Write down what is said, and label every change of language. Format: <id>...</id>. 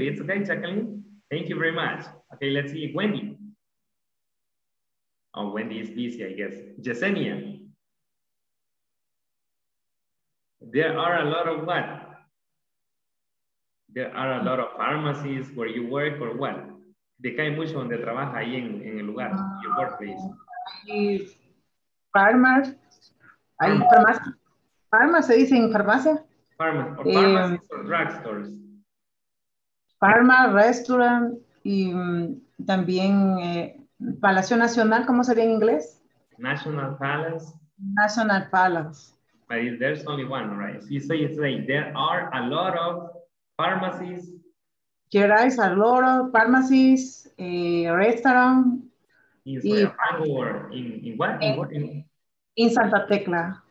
<en>It's okay, Jacqueline. Thank you very much. Okay, let's see, Wendy. Oh, Wendy is busy, I guess. Yesenia. There are a lot of what? There are a lot of pharmacies where you work or what?</en> <es>¿De qué hay mucho donde trabaja ahí en el lugar?</es> <en>Your workplace.</en> <es>Hay farmacia. ¿Se dice en farmacia?</es> <en>Drugstores.</en> <es>Farma, restaurant y también Palacio Nacional, ¿cómo sería en inglés?</es> <en>National Palace. National Palace. But there's only one, right? So you say it's like there are a lot of pharmacies. There is a lot of pharmacies, a restaurant. In Santa Tecla.</en>